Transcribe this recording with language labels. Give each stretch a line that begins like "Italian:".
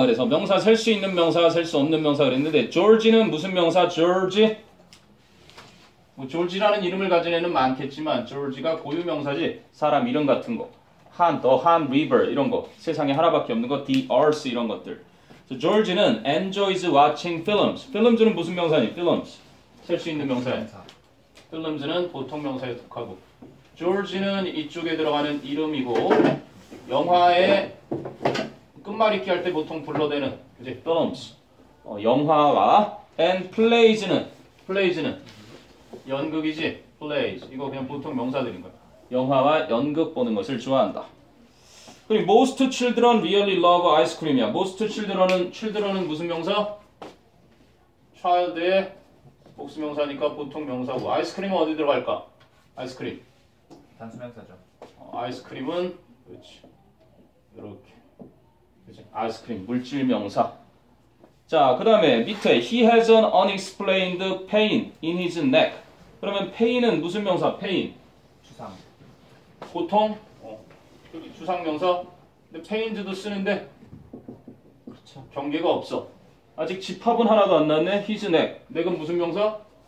Korean: 그래서 명사 셀 수 있는 명사 셀 수 없는 명사 그랬는데 조지는 무슨 명사? 조지? 뭐 조지라는 이름을 가진 애는 많겠지만 조지가 고유명사지 사람 이름 같은 거. 한, the Han River 이런 거 세상에 하나밖에 없는 거 the Earth 이런 것들.
English: So George는 enjoys watching films.
Korean: Films는 무슨 명사니? Films 쓸 수 있는 명사. Films는 보통 명사에 속하고 George는 이쪽에 들어가는 이름이고 영화의 끝말잇기 할 때 보통 불러대는 이제 films 영화와 and plays는 연극이지 plays 이거 그냥 보통 명사들인 거야. 영화와 연극 보는 것을 좋아한다. 그리고
English: most children really love ice cream이야.
Korean: Most children은 무슨 명사? child의 복수명사니까 보통 명사고 아이스크림은 어디 들어갈까? 아이스크림 단수명사죠. 아이스크림은 그렇지 이렇게 그렇지 아이스크림 물질명사. 자 그 다음에 밑에
English: he has an unexplained pain in his neck.
Korean: 그러면 pain은 무슨 명사? pain 주상 고통 여기 주상명사 근데 pains도 쓰는데 그렇죠. 경계가 없어. 아직 집합은 하나도 안 났네.
English: His neck.
Korean: 내가 무슨 명사?